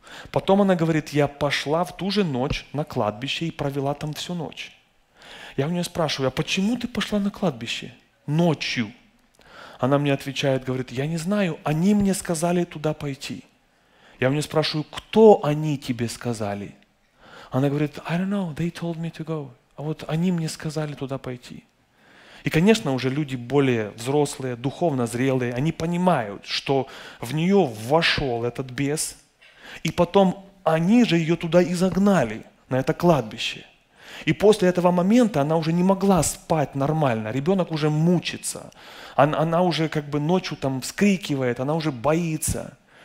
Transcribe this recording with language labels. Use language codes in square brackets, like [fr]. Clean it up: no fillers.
[ru] Потом она говорит, я пошла в ту же ночь на кладбище и провела там всю ночь. Я у нее спрашиваю, а почему ты пошла на кладбище ночью? Она мне отвечает, говорит, я не знаю, они мне сказали туда пойти. Я у нее спрашиваю, кто они тебе сказали? Она говорит, [en] I don't know, they told me to go. [ru] А вот они мне сказали туда пойти. И, конечно, уже люди более взрослые, духовно зрелые, они понимают, что в нее вошел этот бес, и потом они же ее туда и загнали, на это кладбище. И после этого момента она уже не могла спать нормально, ребенок уже мучится, она уже как бы ночью там вскрикивает, она уже боится.